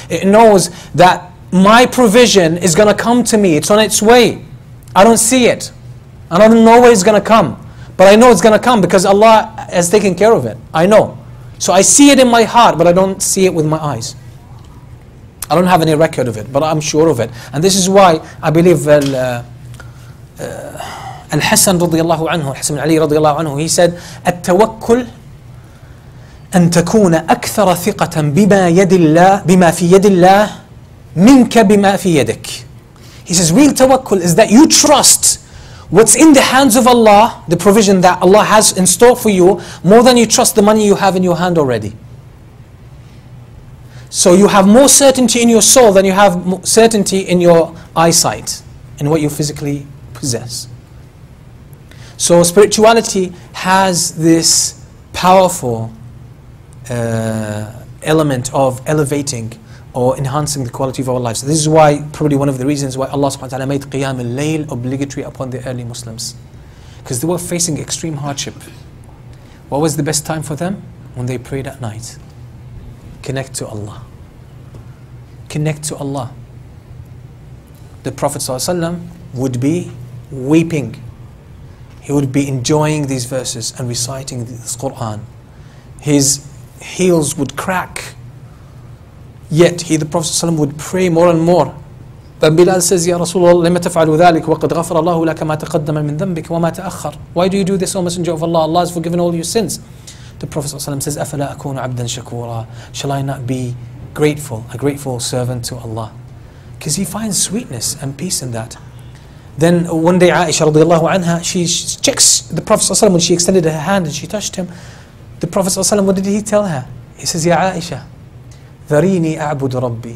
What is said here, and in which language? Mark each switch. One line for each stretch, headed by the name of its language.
English: It knows that my provision is going to come to me. It's on its way. I don't see it. I don't know where it's going to come. But I know it's going to come because Allah has taken care of it. I know. So I see it in my heart, but I don't see it with my eyes. I don't have any record of it, but I'm sure of it. And this is why I believe Al-Hassan radiallahu anhu, Hassan Ali radiallahu anhu, he said,
Arabic: التوكل أن تكون أكثر ثقة بما يد الله بما في يد الله منك بما في يدك.
English: He says, real tawakkul is that you trust what's in the hands of Allah, the provision that Allah has in store for you, more than you trust the money you have in your hand already. So you have more certainty in your soul than you have certainty in your eyesight, in what you physically possess. So spirituality has this powerful element of elevating or enhancing the quality of our lives. This is why, probably one of the reasons why Allah subhanahu wa ta'ala made Qiyam al-Layl obligatory upon the early Muslims. Because they were facing extreme hardship. What was the best time for them? When they prayed at night. Connect to Allah. Connect to Allah. The Prophet sallallahu alayhi wa sallam would be weeping. He would be enjoying these verses and reciting this Quran. His heels would crack. Yet he, the Prophet ﷺ, would pray more and more. Then Bilal says,
Arabic: Ya Rasulullah, لِمَ تَفْعَلُ ذَلِكَ وَقَدْ غَفَرَ اللَّهُ لَكَ مَا تَقَدَّمَ مِنْ ذَنْبِكَ وَمَا تَأَخَّرَ.
English: Why do you do this, O Messenger of Allah? Allah has forgiven all your sins. The Prophet ﷺ says,
Arabic: أَفَلَا أَكُونُ عَبْدًا شَكُورًا.
English: Shall I not be grateful, a grateful servant to Allah? Because he finds sweetness and peace in that. Then one day Aisha radiallahu anha, she checks the Prophet ﷺ when she extended her hand and she touched him. The Prophet ﷺ, what did he tell her? He says, Ya Aisha,
Arabic: ذريني أعبد ربي.